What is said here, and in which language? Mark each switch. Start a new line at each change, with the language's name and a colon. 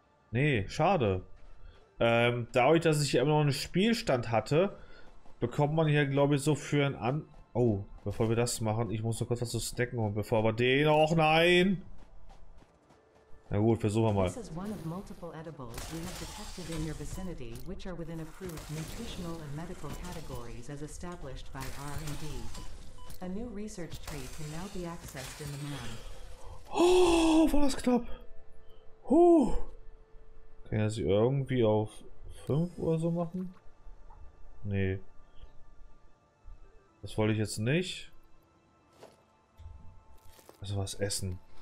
German: Nee, schade. Dadurch, dass ich immer noch einen Spielstand hatte, bekommt man hier, glaube ich, so für einen An. Oh, bevor wir das machen, ich muss noch kurz was zu snacken holen. Bevor wir den auch. Nein! Na gut, versuchen wir mal.
English: This is one of multiple edibles we have detected in your vicinity, which are within approved nutritional and medical categories as established by R&D. A new research tree can now be accessed in the man.
German: Oh, war das knapp. Huh. Kann ich das irgendwie auf 5 oder so machen? Nee. Das wollte ich jetzt nicht. Also was essen.